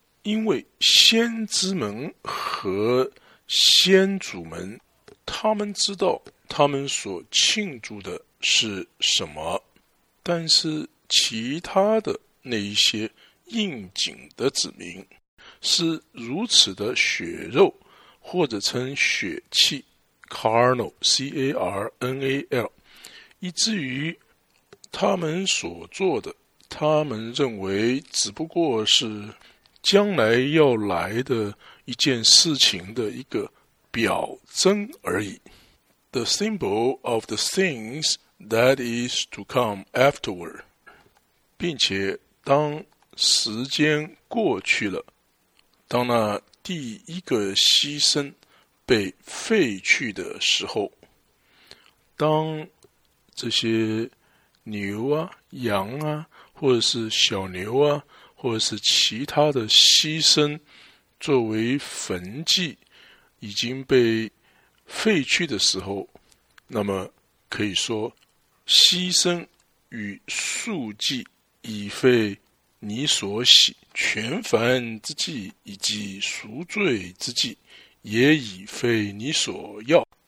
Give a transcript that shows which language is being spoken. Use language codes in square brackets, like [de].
[zh] 因为先知们和先祖们，他们知道他们所庆祝的是什么，但是其他的那一些应景的子民是如此的血肉，或者称血气 carnal, C-A-R-N-A-L, 以至于他们所做的，他们认为只不过是将来要来的一件事情的一个表征而已。 [en] The symbol of the things that is to come afterward. [zh] 并且当时间过去了，当那第一个牺牲被废去的时候，当这些牛啊、羊啊，或者是小牛啊，或者是其他的牺牲作为焚祭已经被废去的时候，那么可以说牺牲与素祭已非你所喜，全燔之祭以及赎罪之祭也已非你所要。